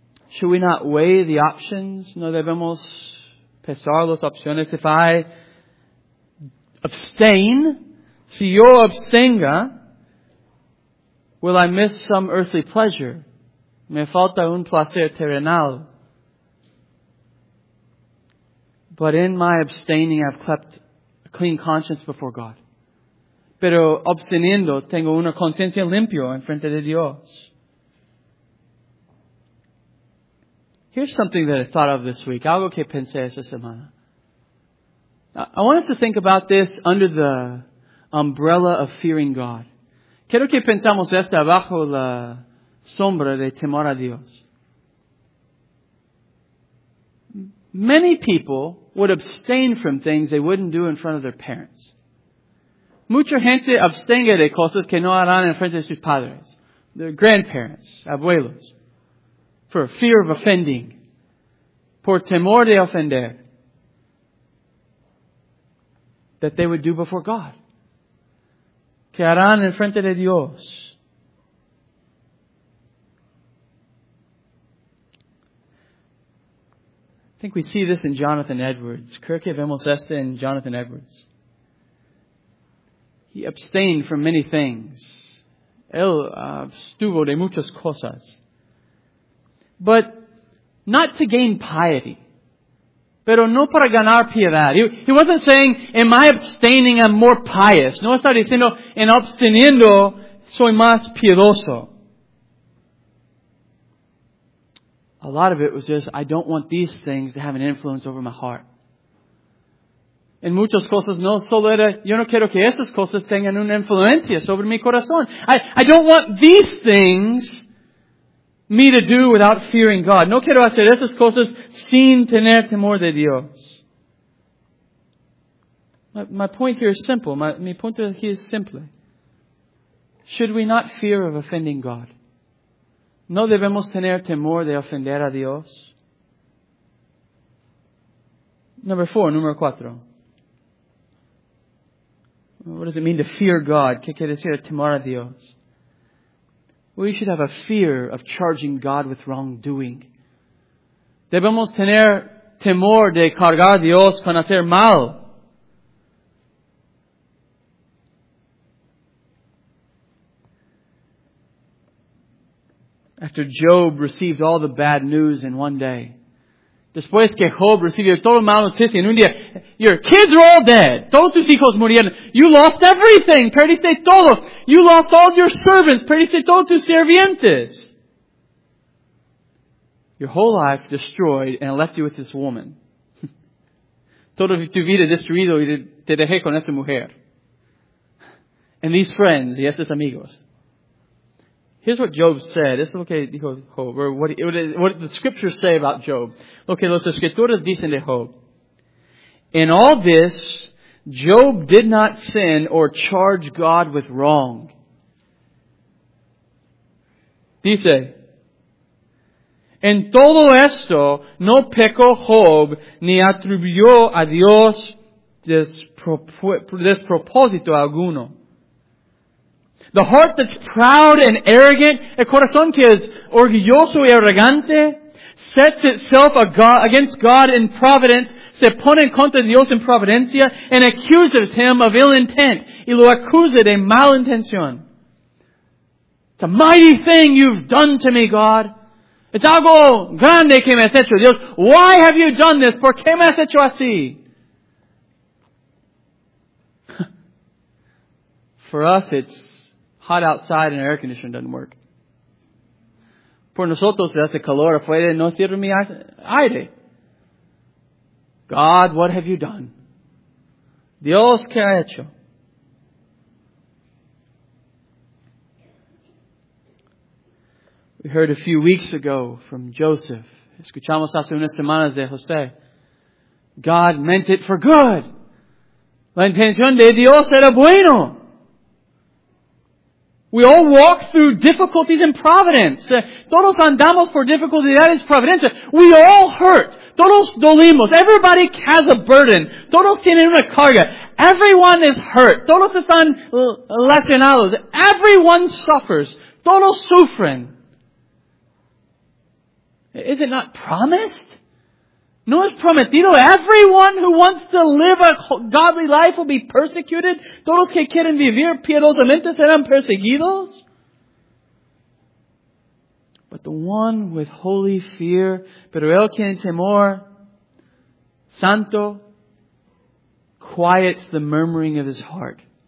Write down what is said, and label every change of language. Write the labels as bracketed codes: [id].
[en] Should we not weigh the options? [es] ¿No debemos pesar las opciones? [en] If I abstain, [es] si yo abstenga, [en] will I miss some earthly pleasure? [es] ¿Me falta un placer terrenal? [en] But in my abstaining, I've kept a clean conscience before God. [es] Pero absteniendo, tengo una conciencia limpia en frente de Dios. [en] Here's something that I thought of this week. [es] Algo que pensé esta semana. [en] I want us to think about this under the umbrella of fearing God. [es] Quiero que pensamos esto bajo la sombra de temor a Dios. [en] Many people would abstain from things they wouldn't do in front of their parents. [es] Mucha gente abstenga de cosas que no harán en frente de sus padres, [en] their grandparents, [es] abuelos, [en] for fear of offending, [es] por temor de ofender, [en] that they would do before God, [es] que harán en frente de Dios. [en] I think we see this in Jonathan Edwards. [es] Creo que vemos esto en Jonathan Edwards. [en] He abstained from many things. [es] Él abstuvo de muchas cosas. [en] But not to gain piety. [es] Pero no para ganar piedad. [en] He wasn't saying, in my abstaining, I'm more pious. [es] No está diciendo, en absteniendo, soy más piedoso. [en] A lot of it was just, I don't want these things to have an influence over my heart. [es] En muchas cosas, no solo era, yo no quiero que esas cosas tengan una influencia sobre mi corazón. [en] I don't want these things me to do without fearing God. [es] No quiero hacer esas cosas sin tener temor de Dios. [en] My point here is simple. [es] Mi punto aquí es simple. [en] Should we not fear of offending God? [es] ¿No debemos tener temor de ofender a Dios? Número cuatro. [en] What does it mean to fear God? [es] ¿Qué quiere decir temor a Dios? [en] We should have a fear of charging God with wrongdoing. [es] Debemos tener temor de cargar a Dios con hacer mal. [en] After Job received all the bad news in one day. [es] Después que Job recibió toda la mala noticia en un día. [en] Your kids are all dead. [es] Todos tus hijos murieron. [en] You lost everything. [es] Perdiste todo. [en] You lost all your servants. [es] Perdiste todos tus sirvientes. [en] Your whole life destroyed and left you with this woman. [es] Todo tu vida destruido y te dejé con esa mujer. [en] And these friends [es] y estos amigos. [en] Here's what Job said. This is [es] lo que dijo Job. [en] Or what the scriptures say about Job. [es] Lo que los escrituras dicen de Job. [en] In all this, Job did not sin or charge God with wrong. [es] Dice, en todo esto no pecó Job ni atribuyó a Dios despropósito alguno. [en] The heart that's proud and arrogant, [es] el corazón que es orgulloso y arrogante, [en] sets itself against God in providence, [es] se pone en contra de Dios en providencia, [en] and accuses Him of ill intent, [es] y lo acusa de mal intención. [en] It's a mighty thing you've done to me, God. It's [es] algo grande que me has hecho, Dios. [en] Why have you done this? [es] ¿Por qué me has hecho así? [en] For us, it's hot outside and air conditioning doesn't work. [es] Por nosotros, hace calor afuera, no cierra mi aire. [en] God, what have you done? [es] Dios, ¿qué ha hecho? [en] We heard a few weeks ago from Joseph. [es] Escuchamos hace unas semanas de José. [en] God meant it for good. [es] La intención de Dios era bueno. [en] We all walk through difficulties in providence. [es] Todos andamos por dificultades, [en] that is [es] providencia. [en] We all hurt. [es] Todos dolimos. [en] Everybody has a burden. [es] Todos tienen una carga. [en] Everyone is hurt. [es] Todos están lesionados. [en] Everyone suffers. [es] Todos sufren. [en] Is it not promised? [es] No es prometido. [en] Everyone who wants to live a godly life will be persecuted. [es] Todos que quieren vivir piadosamente serán perseguidos. [en] But the one with holy fear, [es] pero el que tiene temor, santo, [en] quiets the murmuring of his heart.